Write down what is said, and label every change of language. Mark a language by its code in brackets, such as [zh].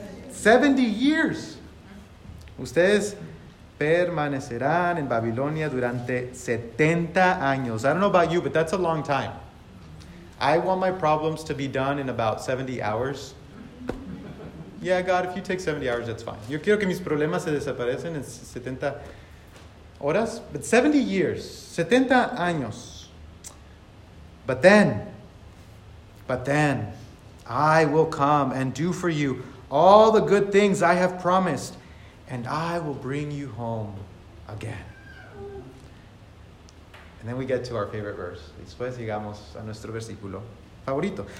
[en] 70 years. [es] Ustedes permanecerán en Babilonia durante 70 años. [en] I don't know about you, but that's a long time. I want my problems to be done in about 70 hours. Yeah, God, if you take 70 hours, that's fine. [es] Yo quiero que mis problemas se desaparecen en 70 horas. [en] But 70 years. [es] 70 años. [en] But then, I will come and do for you all the good things I have promised, and I will bring you home again. And then we get to our favorite verse. [es] Después llegamos a nuestro versículo favorito.